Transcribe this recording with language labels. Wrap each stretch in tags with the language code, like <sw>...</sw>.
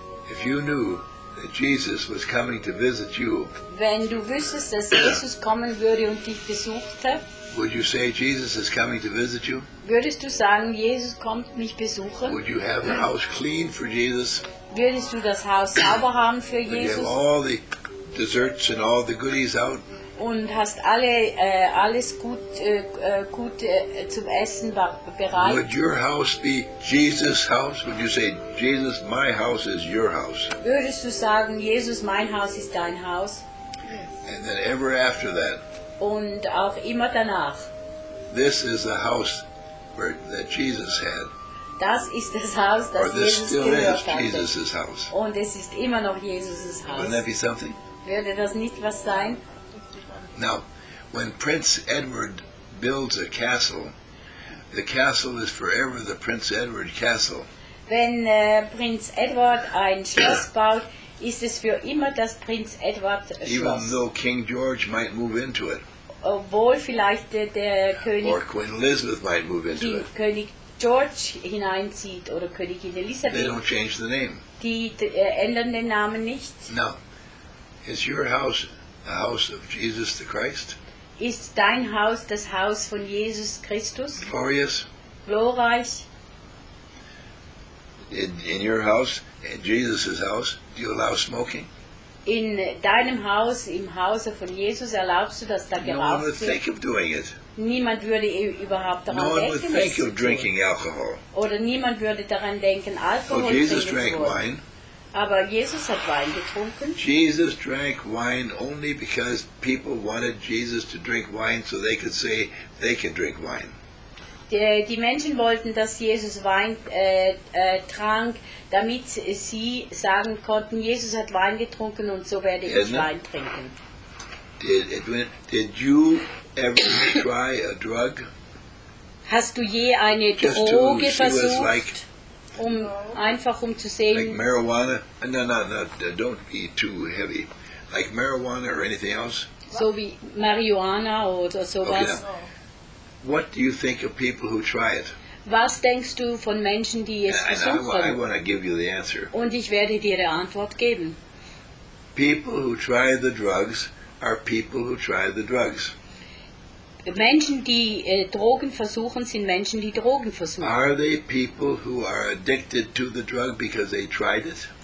<en>if you knew that Jesus was coming to visit you,</en> <de>wenn du wüsstest, dass Jesus kommen würde und dich besuchte,</de> <en>would you say Jesus is coming to visit you?</en> <de>Würdest du sagen, Jesus kommt mich besuchen?</de> <en>Would you have the house clean for Jesus?</en> <de>Würdest du das Haus sauber haben für Jesus?</de> <en>Would you have all the desserts and all the goodies out?</en> <de>Und hast alles gut zum Essen bereit?</de> <en>Would your house be Jesus' house? Would you say, Jesus, my house is your house?</en> <de>Würdest du sagen, Jesus, mein Haus ist dein Haus?</de> <en>And then ever after that,</en> <de>und auch immer danach,</de> <en>this is the house that Jesus had.</en> <de>Das ist das Haus, das</de> <en>or this Jesus</en> <de>gehört</de> <en>is Jesus' house.</en> <de>Und es ist immer noch Jesus' Haus.</de> <en>Wouldn't that be something?</en> <de>Würde das nicht was sein?</de> <en>Now, when Prince Edward builds a castle, the castle is forever the Prince Edward castle.</en> <de>Wenn Prinz Edward ein Schloss baut, ist es für immer das Prinz Edward Schloss.</de> <en>Even though King George might move into it.</en> <de>Obwohl vielleicht der König,</de> <en>or Queen Elizabeth might move into King it.</en> <de>König George hineinzieht oder Königin Elisabeth.</de> <en>They don't change the name.</en> <de>Die ändern den Namen nicht.</de> <en>No. It's your house. The house of Jesus the Christ.</en> <de>Ist dein Haus das Haus von Jesus Christus?</de> <en>Glorious.</en> <de>Glorreich.</de> <en>In your house, in Jesus' house, do you allow smoking?</en> <de>In deinem Haus, im Hause von Jesus, erlaubst du, dass da geraucht wird?</de> <en>No one would think of doing it.</en> <de>Niemand würde überhaupt daran denken.</de> <en>No one would think of drinking alcohol.</en> <de>Oder niemand würde daran denken, Alkohol.</de> <en>Well, Jesus drank wine.</en> <de>Aber Jesus hat Wein getrunken.</de> <en>Jesus drank wine only because people wanted Jesus to drink wine so they could say they could drink wine.</en> <de>Die Menschen wollten, dass Jesus Wein trank, damit sie sagen konnten, Jesus hat Wein getrunken und so werde ich Wein trinken.</de> <en>Did you ever try a drug?</en> <de>Hast du je eine Droge versucht? Einfach um zu sehen.</de> <en>Like marijuana? No, don't be too heavy. Like marijuana or anything else?</en> <de>So wie Marihuana oder sowas.</de> <en>Okay, now, what do you think of people who try it?</en> <de>Was denkst du von Menschen, die es versuchen?</de> <en>I want to give you the answer.</en> <de>Und ich werde dir die Antwort geben.</de> <en>People who try the drugs are people who try the drugs.</en> <de>Menschen, die Drogen versuchen, sind Menschen, die Drogen versuchen.</de> <en>Are they people who are addicted to the drug because they tried it?</en>